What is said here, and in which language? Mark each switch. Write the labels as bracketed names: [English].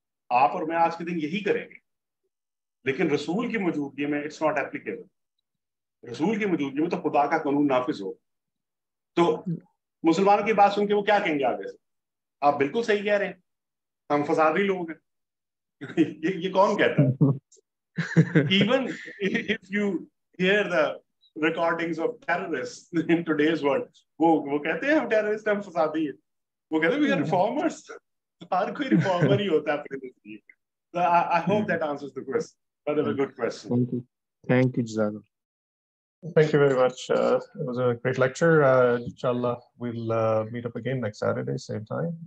[Urdu] آپ اور میں آج کے دن یہی کریں گے, لیکن رسول کی موجودگی میں [English] It's not applicable. [Urdu] رسول کی موجودگی میں تو خدا کا قانون نافذ ہو. تو مسلمانوں کی بات سن کے وہ کیا کہیں گے آگے سے, آپ بالکل صحیح کہہ رہے ہیں, ہم فسادی لوگ ہیں. یہ کون کہتا ہے؟ [English] Even if you hear the recordings of terrorists in today's world, [Urdu] وہ کہتے ہیں ہم terrorist ہیں, ہم فسادی ہیں. وہ کہتے ہیں [English] we are reformers. [Urdu] ہر کوئی reformer ہی ہوتا ہے اپنے دیش کے. [English] So I hope that answers the question. But it was a good question. Thank you. Thank you, Jazal. Thank you very much. It was a great lecture. Inshallah, we'll meet up again next Saturday, same time.